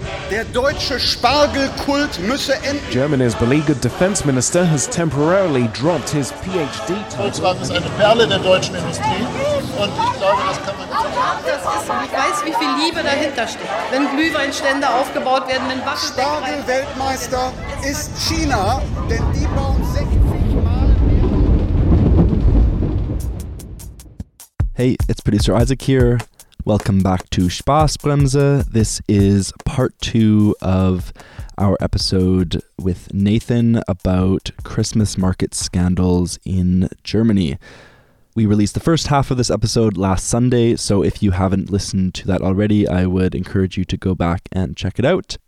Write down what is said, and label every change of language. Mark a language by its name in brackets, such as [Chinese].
[German] Der deutsche Spargelkult müsse enden. [English] Germany's beleaguered defense minister has temporarily dropped his PhD title. [German] Volkswagen ist eine Perle der deutschen Industrie. Und ich glaube, das kann man nicht sagen. Ich weiß, wie viel Liebe dahinter steckt. Wenn Glühweinstände aufgebaut werden, wenn Waffen... Spargel-Weltmeister ist China, denn die bauen 60 Mal mehr... [English] Hey, it's producer Isaac here. Welcome back to Spaßbremse. This is part two of our episode with Nathan about Christmas market scandals in Germany. We released the first half of this episode last Sunday, so if you haven't listened to that already, I would encourage you to go back and check it out.